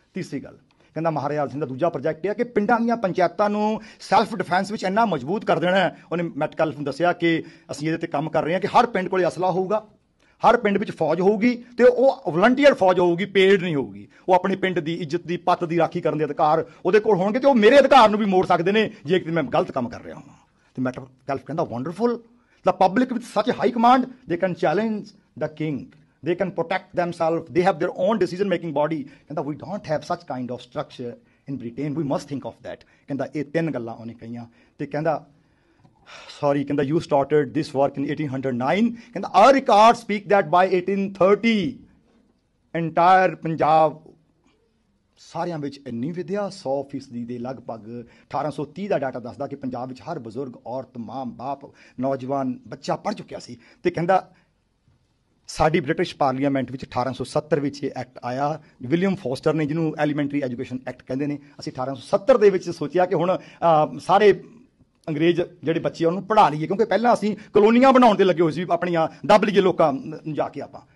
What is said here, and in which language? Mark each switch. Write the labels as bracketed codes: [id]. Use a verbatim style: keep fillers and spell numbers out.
[pa] ਤੀਸਰੀ ਗੱਲ ਕਹਿੰਦਾ ਮਹਾਰਾਜਾ ਸਿੰਘ ਦਾ ਦੂਜਾ ਪ੍ਰੋਜੈਕਟ ਇਹ ਹੈ ਕਿ ਪਿੰਡਾਂ ਦੀਆਂ ਪੰਚਾਇਤਾਂ ਨੂੰ ਸੈਲਫ ਡਿਫੈਂਸ ਵਿੱਚ ਇੰਨਾ ਮਜ਼ਬੂਤ ਕਰ ਦੇਣਾ ਹੈ। ਉਹਨੇ ਮੈਟਕਲਫ ਨੂੰ ਦੱਸਿਆ ਕਿ ਅਸੀਂ ਇਹਦੇ ਤੇ ਕੰਮ ਕਰ ਰਹੇ ਹਾਂ ਕਿ ਹਰ ਪਿੰਡ ਕੋਲ ਅਸਲਾ ਹੋਊਗਾ, ਹਰ ਪਿੰਡ ਵਿੱਚ ਫੌਜ ਹੋਊਗੀ, ਤੇ ਉਹ ਵਲੰਟੀਅਰ ਫੌਜ ਹੋਊਗੀ, ਪੇਡ ਨਹੀਂ ਹੋਊਗੀ। ਉਹ ਆਪਣੇ ਪਿੰਡ ਦੀ ਇੱਜ਼ਤ ਦੀ, ਪੱਤ ਦੀ ਰਾਖੀ ਕਰਨ ਦੇ ਅਧਿਕਾਰ ਉਹਦੇ ਕੋਲ ਹੋਣਗੇ, ਤੇ ਉਹ ਮੇਰੇ ਅਧਿਕਾਰ ਨੂੰ ਵੀ ਮੋੜ ਸਕਦੇ ਨੇ ਜੇ ਮੈਂ ਗਲਤ ਕੰਮ ਕਰ ਰਿਹਾ ਹਾਂ। ਤੇ ਮੈਟਕਲਫ ਕਹਿੰਦਾ [en] Wonderful, the public with such high command they can challenge the king, they can protect themselves, they have their own decision making body, and that we don't have such kind of structure in Britain, we must think of that. [pa] Kenda eh tin galla ohne kahiyan te kenda sorry kenda [en] you started this work in eighteen oh nine, [pa] kenda [en] our records speak that by eighteen thirty entire Punjab [pa] ਸਾਰਿਆਂ ਵਿੱਚ ਇੰਨੀ ਵਿਦਿਆ ਸੌ ਫੀਸਦੀ ਦੇ ਲਗਭਗ। ਅਠਾਰਾਂ ਸੌ ਤੀਹ ਦਾ ਡਾਟਾ ਦੱਸਦਾ ਕਿ ਪੰਜਾਬ ਵਿੱਚ ਹਰ ਬਜ਼ੁਰਗ, ਔਰਤ, ਮਾਂ, ਬਾਪ, ਨੌਜਵਾਨ, ਬੱਚਾ ਪੜ੍ਹ ਚੁੱਕਿਆ ਸੀ। ਤੇ ਕਹਿੰਦਾ ਸਾਡੀ ਬ੍ਰਿਟਿਸ਼ ਪਾਰਲੀਮੈਂਟ ਵਿੱਚ ਅਠਾਰਾਂ ਸੌ ਸੱਤਰ ਵਿੱਚ ਇਹ ਐਕਟ ਆਇਆ, ਵਿਲੀਅਮ ਫੋਸਟਰ ਨੇ, ਜਿਹਨੂੰ ਐਲੀਮੈਂਟਰੀ ਐਜੂਕੇਸ਼ਨ ਐਕਟ ਕਹਿੰਦੇ ਨੇ। ਅਸੀਂ ਅਠਾਰਾਂ ਸੌ ਸੱਤਰ ਦੇ ਵਿੱਚ ਸੋਚਿਆ ਕਿ ਹੁਣ ਅ, ਸਾਰੇ ਅੰਗਰੇਜ਼ ਜਿਹੜੇ ਬੱਚੇ ਆ ਉਹਨੂੰ ਪੜ੍ਹਾ ਲਈਏ, ਕਿਉਂਕਿ ਪਹਿਲਾਂ ਅਸੀਂ ਕਲੋਨੀਆਂ ਬਣਾਉਣ 'ਤੇ ਲੱਗੇ ਹੋਏ ਸੀ, ਆਪਣੀਆਂ ਦੱਬ ਲਈਏ ਲੋਕਾਂ ਨੂੰ ਜਾ ਕੇ ਆਪਾਂ।